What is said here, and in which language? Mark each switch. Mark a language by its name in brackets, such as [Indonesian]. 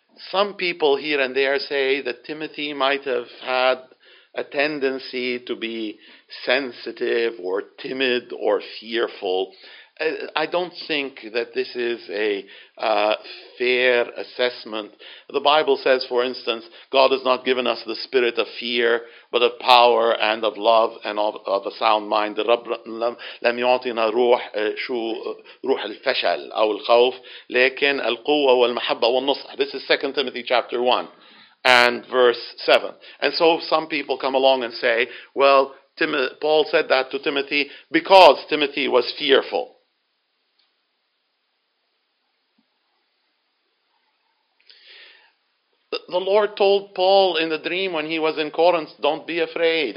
[English] Some people here and there say that Timothy might have had a tendency to be sensitive or timid or fearful. I don't think that this is a fair assessment. The Bible says, for instance, God has not given us the spirit of fear, but of power and of love and of a sound mind. [Arabic] رب لم يعطينا روح شو روح الفشل أو الخوف لكن القوة والمحبة والنصح. [English] This is 2 Timothy chapter 1 and verse 7. And so some people come along and say, well, Paul said that to Timothy because Timothy was fearful. The Lord told Paul in the dream when he was in Corinth, don't be afraid.